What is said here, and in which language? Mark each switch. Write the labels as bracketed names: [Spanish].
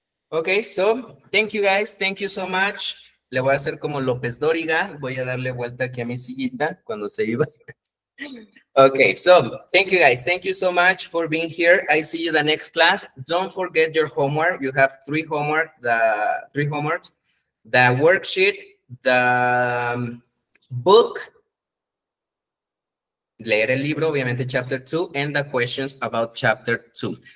[English] Okay, so thank you guys, thank you so much. [Spanish] Le voy a hacer como López Dóriga, voy a darle vuelta aquí a mi sillita cuando se iba. [English] Okay, so thank you guys, thank you so much for being here. I see you the next class. Don't forget your homework. You have three homeworks, the worksheet, the book, [Spanish] leer el libro, [English] obviamente chapter 2, and the questions about chapter 2.